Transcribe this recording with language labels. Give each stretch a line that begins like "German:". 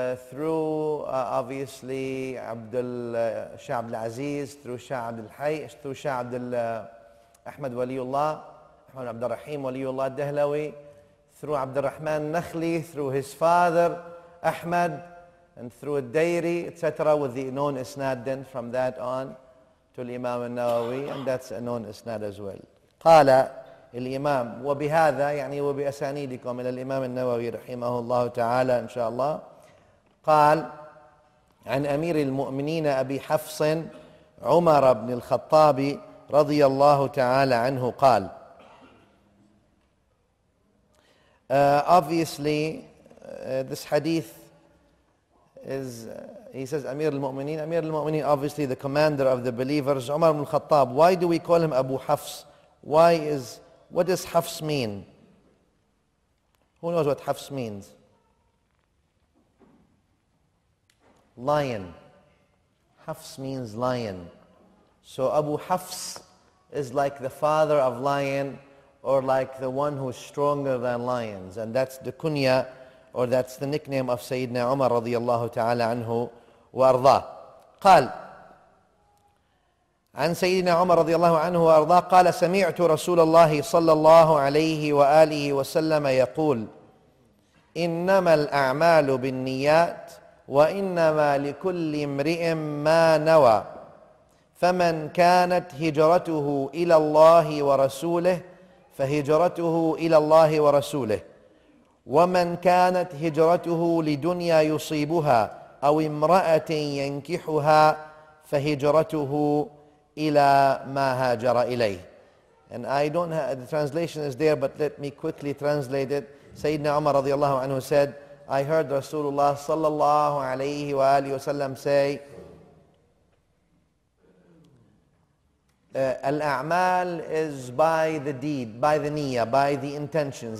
English: through obviously Abdul Shah Abdul Aziz, through Shah Abdul Hayy, through Shah Abdul Ahmad waliullah, Abdul Rahim Waliullah Dehlawi through عبد الرحمن نخلي through his father أحمد and through الديري etc. with the known isnad then from that on to الإمام النووي and that's a known isnad as well.
Arabic: قال الإمام وبهذا يعني وبأسانيدكم إلى الإمام النووي رحمه الله تعالى إن شاء الله قال عن أمير المؤمنين أبي حفص عمر بن الخطاب رضي الله تعالى عنه قال
English: obviously, this hadith is, he says, Amir al-Mu'mineen. Amir al-Mu'mineen, obviously, the commander of the believers. Umar ibn al-Khattab, why do we call him Abu Hafs? Why is, what does Hafs mean? Who knows what Hafs means? Lion. Hafs means lion. So Abu Hafs is like the father of lion, or like the one who is stronger than lions. And that's the kunya, or that's the nickname of Sayyidina Umar radiallahu ta'ala anhu warda.
Arabic: قال عن سيدنا عمر رضي الله عنه وارضى قال سمعت رسول الله صلى الله عليه وآله وسلم يقول إنما الأعمال بالنيات وإنما لكل امرئ ما نوى فمن كانت هجرته إلى الله ورسوله فهجرته إلى الله ورسوله ومن كانت هجرته لدنيا يصيبها أو امرأة ينكحها فهجرته إلى ما هاجر إليه.
English: And I don't have, the translation is there, but let me quickly translate it. Sayyidina Umar radiallahu anhu said, I heard Rasulullah sallallahu alayhi wa alihi wa sallam say, Al-A'mal is by the deed, by the niyyah, by the intentions.